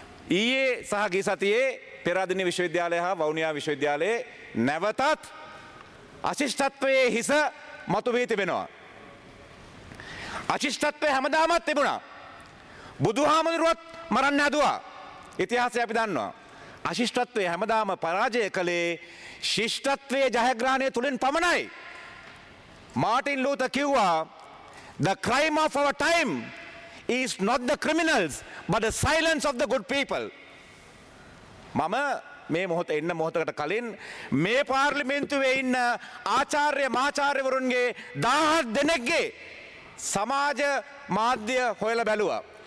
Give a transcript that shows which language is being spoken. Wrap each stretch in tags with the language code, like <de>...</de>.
<si>ඊයේ සහ ගිය සතියේ පෙරාදිනේ විශ්වවිද්‍යාලය හා වවුනියා විශ්වවිද්‍යාලයේ නැවතත් අශිෂ්ටත්වයේ හිස මතු වී තිබෙනවා. අශිෂ්ටත්වය හැමදාමත් තිබුණා. බුදුහාමුදුරුවත් මරන්න හැදුවා. ඉතිහාසය අපි දන්නවා. අශිෂ්ටත්වය හැමදාම පරාජය කළේ ශිෂ්ටත්වයේ ජයග්‍රහණය තුළින් පමණයි. මාටින් ලූතර් කිව්වා</si> <en>"The crime of our time is not the criminals but the silence of the good people."</en> <si>මම මේ මොහොත එන්න මොහොතකට කලින් මේ පාර්ලිමේන්තුවේ ඉන්න ආචාර්ය මාචාර්යවරුන්ගේ 1000 දෙනෙක්ගේ සමාජ මාධ්‍ය හොයලා බැලුවා.</si>